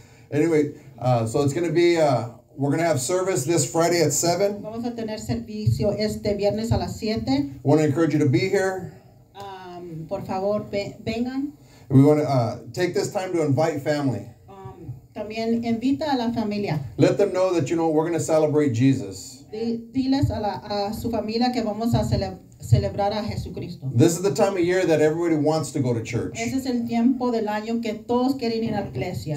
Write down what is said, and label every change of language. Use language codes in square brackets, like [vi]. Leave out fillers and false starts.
[en] Anyway, so it's going to be, we're going to have service this Friday at 7. [es] Vamos a tener servicio este viernes a las 7. [en] I want to encourage you to be here. [es] Por favor, vengan. [en] And we want to take this time to invite family. [es] También invita a la familia. [en] Let them know that, you know, we're going to celebrate Jesus. [es] Diles a su familia que vamos a celebrar. Celebrar a Jesucristo. [en] This is the time of year that everybody wants to go to church. [es] Ese es el tiempo del año que todos quieren ir a la iglesia.